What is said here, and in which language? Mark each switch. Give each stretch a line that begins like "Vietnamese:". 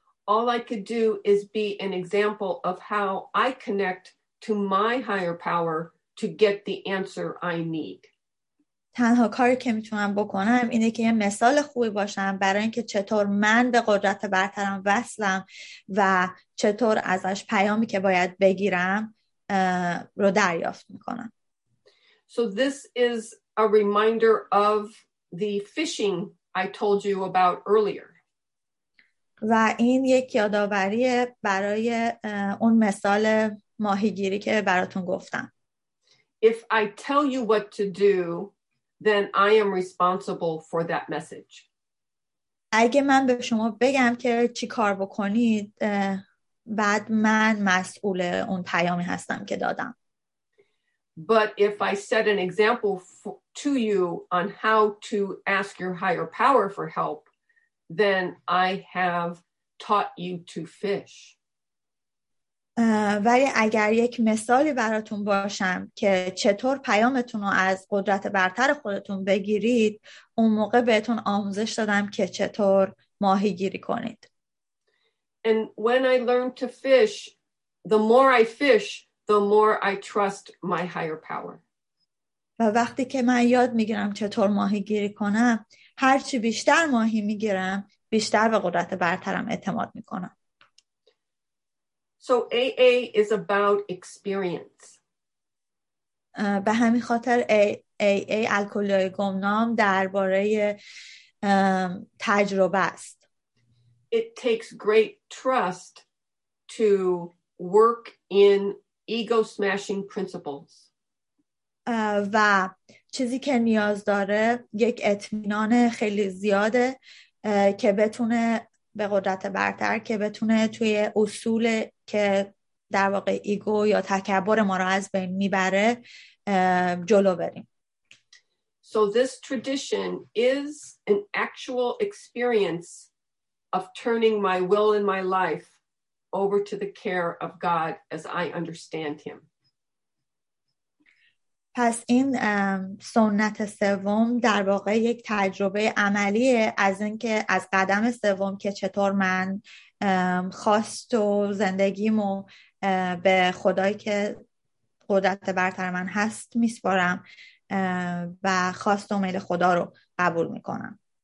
English: All I could do is be an example of how I connect to my higher power to get the answer I need.
Persian: تنها کاری که میتونم بکنم اینه که یه مثال خوبی باشم برای اینکه چطور من به قدرت برترم وصلم و چطور ازش پیامی که باید بگیرم رو دریافت میکنم.
English: So this is a reminder of the fishing I told you about earlier.
Persian: و این یک یادآوری برای اون مثال ماهیگیری که براتون گفتم.
English: If I tell you what to do, then I am responsible for that message.
Persian: اگه من به شما بگم که چی کار بکنید، بعد من مسئول اون پیامی هستم که دادم.
English: But if I set an example to you on how to ask your higher power for help, then I have taught you to fish.
Persian: ولی اگر یک مثالی براتون باشم که چطور پیامتون رو از قدرت برتر خودتون بگیرید، اون موقع بهتون آموزش دادم که چطور ماهیگیری کنید.
English: And when I learned to fish, the more I fish, the more I trust my higher power.
Persian: و وقتی که من یاد میگیرم چطور ماهیگیری کنم، هرچی بیشتر ماهی میگیرم، بیشتر به قدرت برترم اعتماد میکنم.
English: So AA is about experience.
Persian: به همین خاطر AA الکلی‌های گمنام درباره تجربه است.
English: It takes great trust to work in ego-smashing principles.
Persian: و چیزی که نیاز داره یک اطمینان خیلی زیاده که بتونه به قدرت برتر که بتونه توی اصول که در واقع ایگو یا تکبر ما را از بین میبره جلو بریم.
English: So this tradition is an actual experience of turning my will and my life over to the care of God as I understand him.
Persian: پس این سنت سوم در واقع یک تجربه عملیه از اینکه از قدم سوم که چطور من خواست و زندگیمو به خدایی که قدرت برتر من هست میسپارم و خواست و میل خدا رو قبول میکنم.